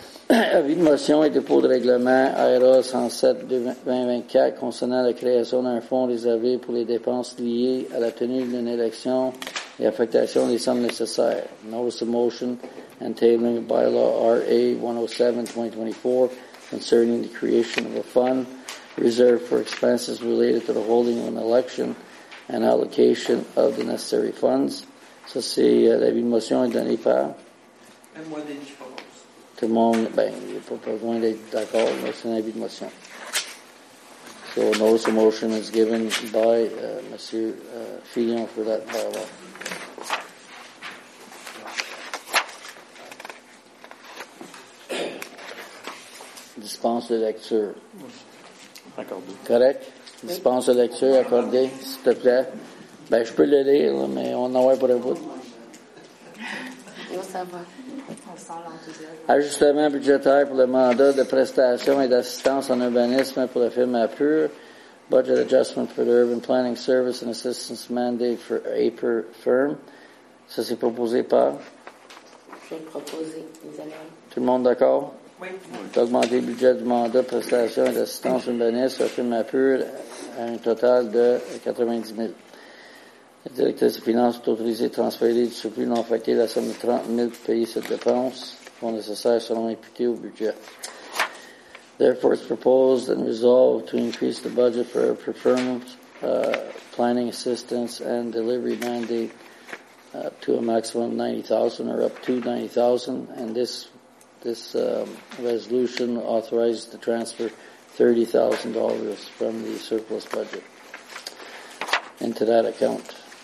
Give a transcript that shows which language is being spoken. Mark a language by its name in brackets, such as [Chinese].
[French] Avis de motion et dépôt de règlement ARA 107-2024 concernant la création d'un fonds réservé pour les dépenses liées à la tenue d'une élection et affectation des sommes nécessaires. [English] Notice of motion and tabling of bylaw RA 107-2024 concerning the creation of a fund reserved for expenses related to the holding of an election and allocation of the necessary funds. [French] Ça, c'est l'avis de motion est donné par? Et moi, Denis, je propose. Tout le monde, ben, il n'y a pas besoin d'être d'accord, mais c'est un avis de motion. [English] So, a notice of motion is given by Monsieur Fillon for that bylaw. [French] Dispense de lecture. Accordé. Correct. Dispense de lecture accordée, s'il te plaît. Ben, je peux le lire, là, mais on en voit pour le bout. Ça va. On sent l'enthousiasme. Ajustement budgétaire pour le mandat de prestation et d'assistance en urbanisme pour le firme APUR. [English] Budget adjustment for the urban planning service and assistance mandate for APUR firm. [French] Ça, c'est proposé par? Je vais le proposer. Tout le monde d'accord? Oui. D'augmenter le budget du mandat, prestation et d'assistance urbaniste au film APUR à un total de 90 000. La directrice de finances est autorisée de transférer du surplus non affecté la somme de 30 000 pour payer cette dépense, fonds nécessaires seront imputés au budget. [English] Therefore, it's proposed and resolved to increase the budget for preferment, planning assistance and delivery mandate to a maximum of 90,000 or up to 90,000, and this resolution authorizes the transfer $30,000 from the surplus budget into that account.